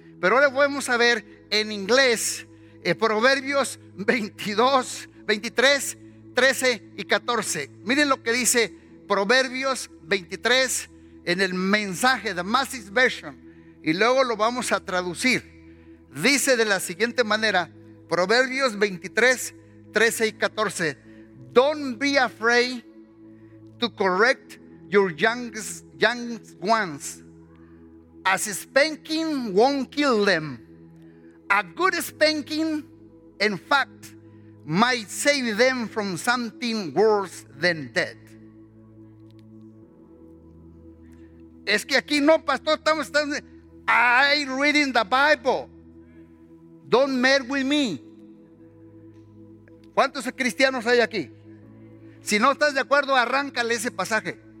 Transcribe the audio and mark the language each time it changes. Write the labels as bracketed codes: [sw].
[es] Pero ahora vamos a ver en inglés Proverbios 22, 23, 13 y 14. Miren lo que dice Proverbios 23 en el mensaje, The Message Version. Y luego lo vamos a traducir. Dice de la siguiente manera, Proverbios 23, 13 y 14. [en] Don't be afraid to correct your young ones, as spanking won't kill them. A good spanking, in fact, might save them from something worse than death. [es] Es que aquí no, pastor, estamos. [en] I'm reading the Bible. Don't mess with me. [es] ¿Cuántos cristianos hay aquí? Si no estás de acuerdo, arráncale ese pasaje.